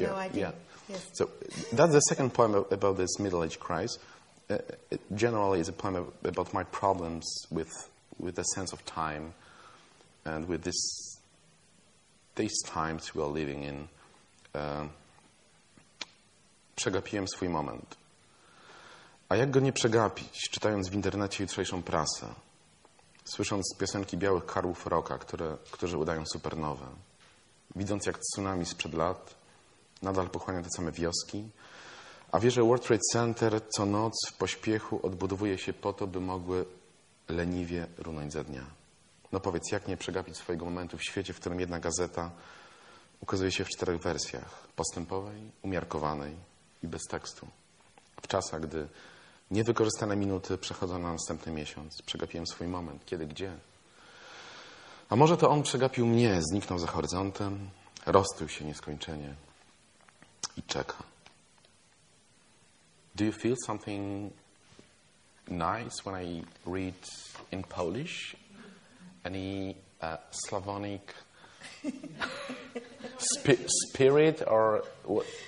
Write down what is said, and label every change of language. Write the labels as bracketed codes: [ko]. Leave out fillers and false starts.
[en] I have no idea. Yeah. Yes. So that's the second poem about this middle-age crisis. It generally is a poem about my problems with the sense of time and with these times we are living in. [pl] Przegapiłem swój moment. A jak go nie przegapić, czytając w internecie jutrzejszą prasę, słysząc piosenki białych karłów rocka, którzy udają supernowę, widząc jak tsunami sprzed lat nadal pochłania te same wioski, a wie, że World Trade Center co noc w pośpiechu odbudowuje się po to, by mogły leniwie runąć ze dnia. No powiedz, jak nie przegapić swojego momentu w świecie, w którym jedna gazeta ukazuje się w czterech wersjach, postępowej, umiarkowanej i bez tekstu. W czasach, gdy niewykorzystane minuty przechodzą na następny miesiąc, przegapiłem swój moment, kiedy, gdzie. A może to on przegapił mnie, zniknął za horyzontem, roztył się nieskończenie. I czeka. [en] Do you feel something nice when I read in Polish? Any Slavonic spirit or what?